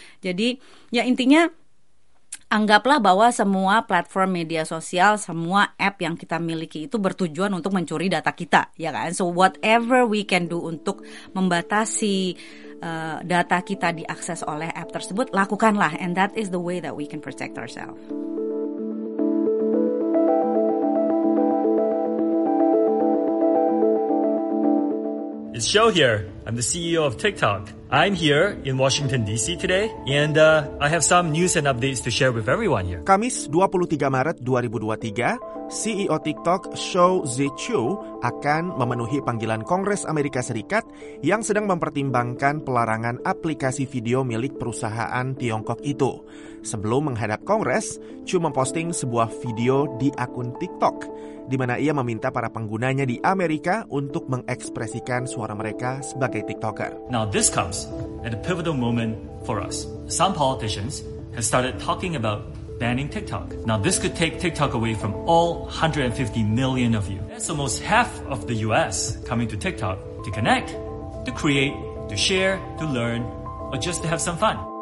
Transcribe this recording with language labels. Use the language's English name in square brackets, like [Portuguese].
[Indonesian] Jadi, ya intinya, anggaplah bahwa semua platform media sosial, semua app yang kita miliki itu bertujuan untuk mencuri data kita, ya kan? [English] So, whatever we can do [Indonesian] untuk membatasi data kita diakses oleh app tersebut, lakukanlah. [English] And that is the way that we can protect ourselves. It's Xiao here. I'm the CEO of TikTok. I'm here in Washington DC today and I have some news and updates to share with everyone here. [Indonesian] Kamis 23 Maret 2023, CEO TikTok Xiao Zhiqiu akan memenuhi panggilan Kongres Amerika Serikat yang sedang mempertimbangkan pelarangan aplikasi video milik perusahaan Tiongkok itu. Sebelum menghadap Kongres, Xiao memposting sebuah video di akun TikTok, di mana ia meminta para penggunanya di Amerika untuk mengekspresikan suara mereka sebagai TikToker. [English] Now this comes at a pivotal moment for us. Some politicians have started talking about banning TikTok. Now this could take TikTok away from all 150 million of you. That's almost half of the US coming to TikTok to connect, to create, to share, to learn, or just to have some fun.